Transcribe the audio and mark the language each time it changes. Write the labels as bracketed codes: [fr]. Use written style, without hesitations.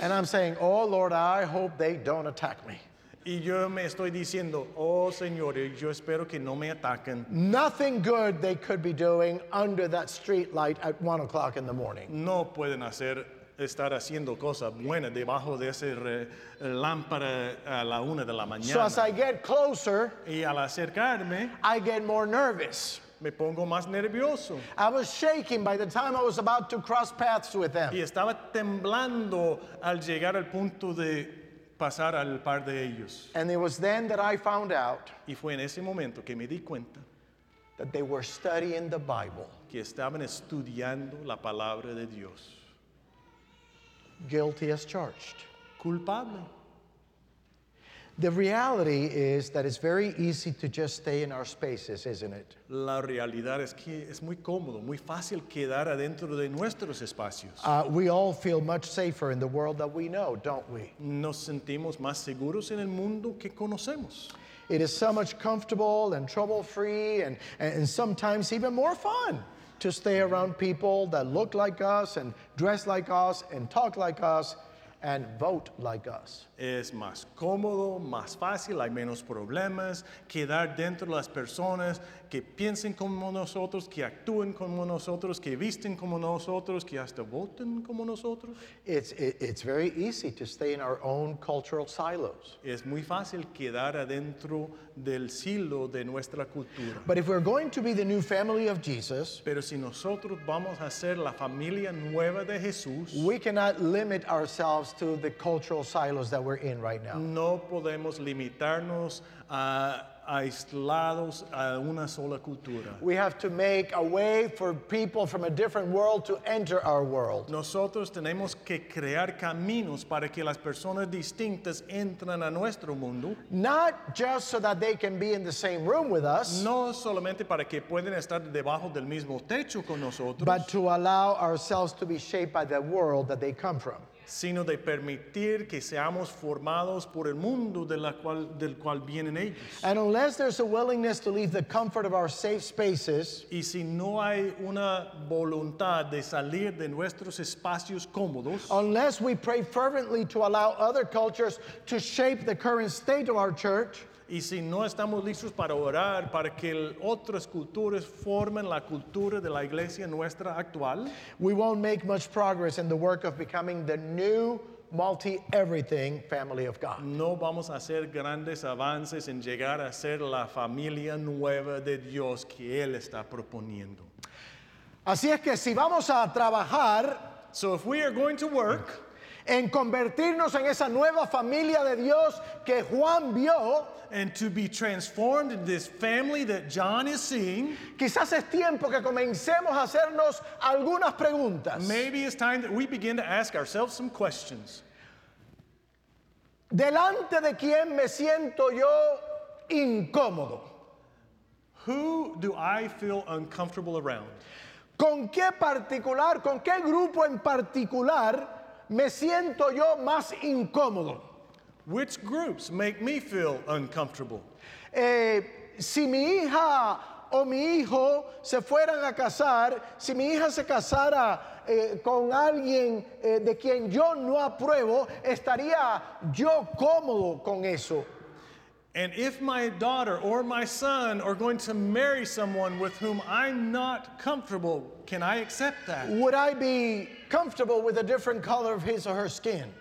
[en] And I'm saying, oh Lord, I hope they don't attack me. [es] Y yo me estoy diciendo, oh Señor, yo espero que no me ataquen. [en] Nothing good they could be doing under that street light at 1 o'clock in the morning. [es] No pueden estar haciendo cosas buenas debajo de esa lámpara a la 1 a.m. [en] So as I get closer, [es] y al acercarme, [en] I get more nervous. [es] Me pongo más nervioso. [en] I was shaking by the time I was about to cross paths with them. [es] Y estaba temblando al llegar al punto de pasar al par de ellos. [en] And it was then that I found out, [es] y fue en ese momento que me di cuenta, [en] that they were studying the Bible. [es] Que estaban estudiando la palabra de Dios. [en] Guilty as charged. [es] Culpable. [en] The reality is that it's very easy to just stay in our spaces, isn't it? [es] La realidad es que es muy cómodo, muy fácil quedar adentro de nuestros espacios. [en] We all feel much safer in the world that we know, don't we? [es] Nos sentimos más seguros en el mundo que conocemos. [en] It is so much comfortable and trouble-free and sometimes even more fun to stay around people that look like us and dress like us and talk like us and vote like us. [es] Es más cómodo, más fácil, hay menos problemas quedar dentro de las personas que piensen como nosotros, que actúen como nosotros, que visten como nosotros, que hasta voten como nosotros. [en] It's very easy to stay in our own cultural silos. [es] Es muy fácil quedar adentro del silo de nuestra cultura. [en] But if we're going to be the new family of Jesus, [es] pero si nosotros vamos a ser la familia nueva de Jesús, [en] we cannot limit ourselves to the cultural silos that we're in right now. [es] No podemos limitarnos a aislados a una sola cultura. [en] We have to make a way for people from a different world to enter our world. [es] Nosotros tenemos que crear caminos para que las personas distintas entren a nuestro mundo. [en] Not just so that they can be in the same room with us. [es] No solamente para que puedan estar debajo del mismo techo con nosotros. [en] But to allow ourselves to be shaped by the world that they come from. [es] sino de permitir que seamos formados por el mundo de la cual, del cual vienen ellos. [en] And unless there's a willingness to leave the comfort of our safe spaces, [es] y si no hay una voluntad de salir de nuestros espacios cómodos, [en] unless we pray fervently to allow other cultures to shape the current state of our church, [es] y si no estamos listos para orar para que otras culturas formen la cultura de la iglesia nuestra actual, [en] we won't make much progress in the work of becoming the new multi-everything family of God. [es] No vamos a hacer grandes avances en llegar a ser la familia nueva de Dios que Él está proponiendo. Así es que si vamos a trabajar, [en] so if we are going to work, [es] en convertirnos en esa nueva familia de Dios que Juan vio, [en] and to be transformed in this family that John is seeing, [es] quizás es tiempo que comencemos a hacernos algunas preguntas. [en] Maybe it's time that we begin to ask ourselves some questions. [es] ¿Delante de quién me siento yo incómodo? [en] Who do I feel uncomfortable around? [es] ¿Con qué particular, con qué grupo en particular me siento yo más incómodo? [en] Which groups make me feel uncomfortable? [es] Si mi hija o mi hijo se fueran a casar, si mi hija se casara con alguien de quien yo no apruebo, ¿estaría yo cómodo con eso? [en] And if my daughter or my son are going to marry someone with whom I'm not comfortable, can I accept that? Would I be comfortable with a different color of his or her skin?